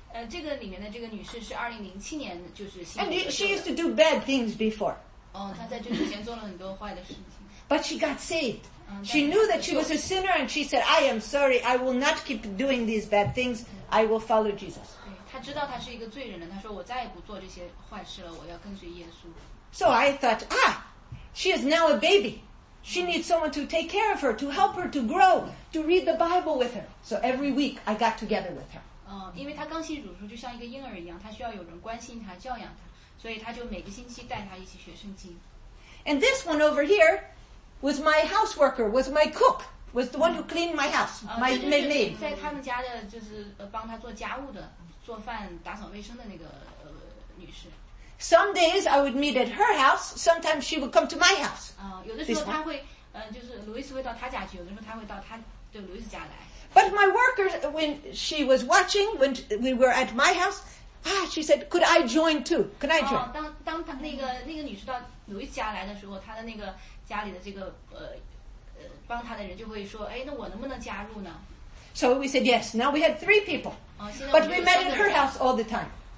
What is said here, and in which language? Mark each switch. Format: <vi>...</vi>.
<zh>这个里面的这个女士是2007年就是信主。</zh> <en>And she used to do bad things before.</en> <zh>她在这之前做了很多坏的事情。</zh> <en>But she got saved. She knew that she was a sinner and she said, I am sorry, I will not keep doing these bad things, I will follow Jesus.</en> <zh>她知道她是一个罪人了，她说我再也不做这些坏事了，我要跟随耶稣。</zh> <en>So I thought, She is now a baby. She needs someone to take care of her, to help her to grow, to read the Bible with her. So every week I got together with her.</en> <zh>因为她刚信主的时候就像一个婴儿一样，她需要有人关心她，教养她，所以她就每个星期带她一起学圣经。</zh> <en>And this one over here was my houseworker, was my cook, was the one who cleaned my house, my maid.</en> <zh>在他们家的就是帮她做家务的，做饭、打扫卫生的那个女士。</zh> <en>Some days I would meet at her house. Sometimes she would come to my house.</en> <zh>有的时候她会，就是路易斯会到她家去。有的时候她会到她的路易斯家来。</zh> <en>But my worker, when she was watching, when we were at my house, she said, "Could I join too? Could I join?"</en> <zh>当她那个女士到路易斯家来的时候，她的那个家里的这个帮她的人就会说，哎，那我能不能加入呢？</zh> <en>So we said yes. Now we had three people. But we met at her house all the time.</en>